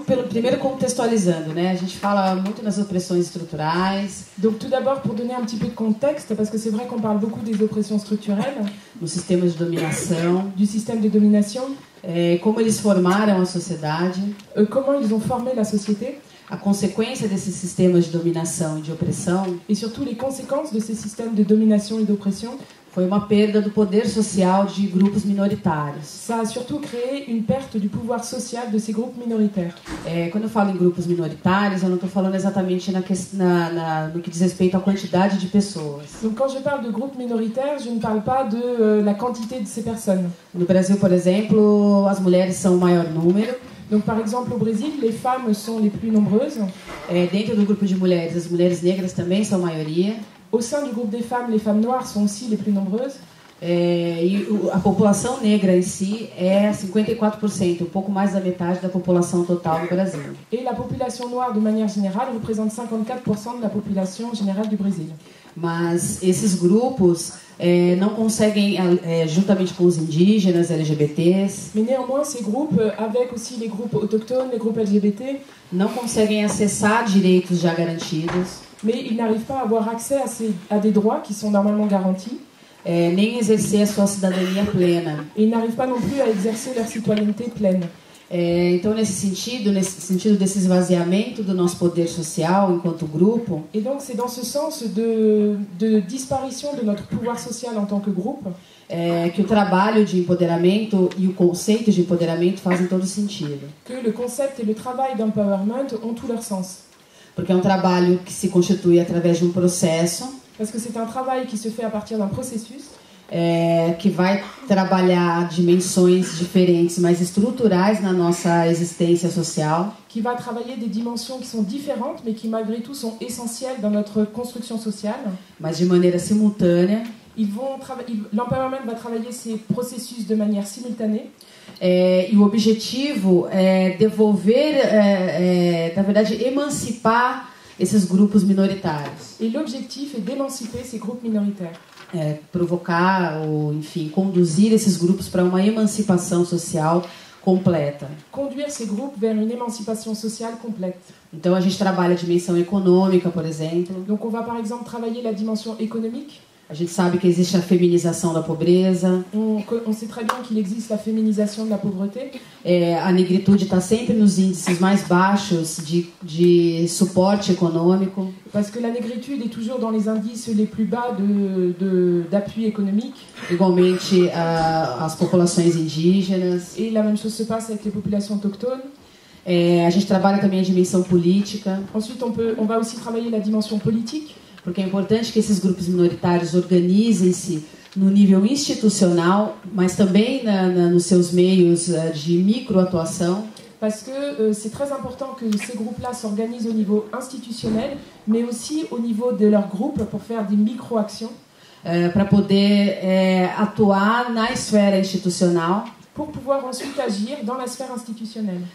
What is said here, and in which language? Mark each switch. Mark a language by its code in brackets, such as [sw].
[pt] Primeiro contextualizando, né? A gente fala muito nas opressões estruturais. [fr] Donc tout d'abord pour donner un petit peu de contexte, parce que c'est vrai qu'on parle beaucoup des oppressions structurelles. [pt] Nos sistemas de dominação. [fr] Du système de domination. [pt] Como eles formaram a sociedade. [fr] Comment ils ont formé la société. [pt] A consequência desses sistemas de dominação e de opressão. [fr] Et surtout les conséquences de ces systèmes de domination et d'oppression. [pt] Foi uma perda do poder social de grupos minoritários. [fr] Ça a surtout créé une perte du pouvoir social de ces groupes minoritaires. [pt] Quando eu falo em grupos minoritários, eu não estou falando exatamente no que diz respeito à quantidade de pessoas. [fr] Donc quand je parle de groupes minoritaires, je ne parle pas de la quantité de ces personnes. [pt] No Brasil, por exemplo, as mulheres são o maior número. [fr] Donc par exemple au Brésil, les femmes sont les plus nombreuses. [pt] Dentro do grupo de mulheres, as mulheres negras também são maioria. [fr] Au sein du groupe des femmes, les femmes noires sont aussi les plus nombreuses. [pt] A população negra em si é 54%, um pouco mais da metade da população total do Brasil. [fr] Et la population noire de manière générale représente 54% de la population générale du Brésil. [pt] Mas esses grupos não conseguem juntamente com os indígenas LGBTs. [fr] Mais néanmoins ces groupes avec aussi les groupes autochtones, les groupes LGBT, [pt] não conseguem acessar direitos já garantidos. [fr] Mais ils n'arrivent pas à avoir accès à des droits qui sont normalement garantis. [pt] Nem exercer a sua cidadania plena. [fr] Ils n'arrivent pas non plus à exercer leur citoyenneté pleine. [pt] Então nesse sentido desse esvaziamento do nosso poder social enquanto grupo. [fr] Et donc c'est dans ce sens de disparition de notre pouvoir social en tant que groupe. [pt] Que o trabalho de empoderamento e o conceito de empoderamento fazem todo sentido. [fr] Que le concept et le travail d'empowerment ont tout leur sens. [pt] Porque é um trabalho que se constitui através de um processo. [fr] Parce que c'est un travail qui se fait à partir d'un processus. [pt] Que vai trabalhar dimensões diferentes, mas estruturais na nossa existência social. [fr] Qui va travailler des dimensions qui sont différentes, mais qui malgré tout sont essentielles dans notre construction sociale. [pt] Mas de maneira simultânea. [fr] L'empowerment va travailler ces processus de manière simultanée. [pt] E o objetivo é devolver, na verdade, emancipar esses grupos minoritários. E o objetivo é emancipar esses grupos minoritários. Provocar, ou enfim, conduzir esses grupos para uma emancipação social completa. Conduzir esses grupos para uma emancipação social completa. Então a gente trabalha a dimensão econômica, por exemplo. [fr] Donc on va par exemple travailler la dimension économique. [pt] A gente sabe que existe a feminização da pobreza. [fr] On sait très bien qu'il existe la féminisation de la pauvreté. [pt] A negritude está sempre nos índices mais baixos de suporte econômico. [fr] Parce que la négritude est toujours dans les indices les plus bas d'appui économique. [pt] Igualmente as populações indígenas. [fr] Et la même chose se passe avec les populations autochtones. [pt] A gente trabalha também a dimensão política. [fr] Ensuite on va aussi travailler la dimension politique. [pt] Porque é importante que esses grupos minoritários organizem-se no nível institucional, mas também nos seus meios de microatuação. [fr] Parce que c'est très important que ces groupes-là s'organisent au niveau institutionnel, mais aussi au niveau de leur groupe pour faire des micro-actions. [pt] Para poder atuar na esfera institucional. [fr] Pour pouvoir ensuite agir dans la sphère institutionnelle.